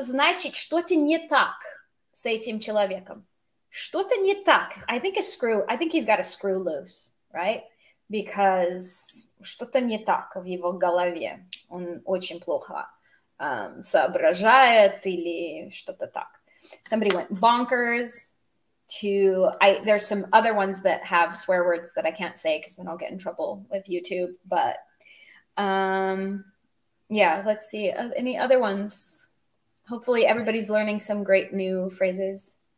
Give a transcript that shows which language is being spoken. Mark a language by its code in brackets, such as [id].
[ru] Значит, что-то не так с этим человеком. Что-то не так. [en] I think he's got a screw loose, right? Because [ru] что-то не так в его голове. Он очень плохо соображает или что-то так. [en] Somebody went bonkers. There's some other ones that have swear words that I can't say because then I'll get in trouble with YouTube. But yeah, let's see. Any other ones? Hopefully everybody's learning some great new phrases.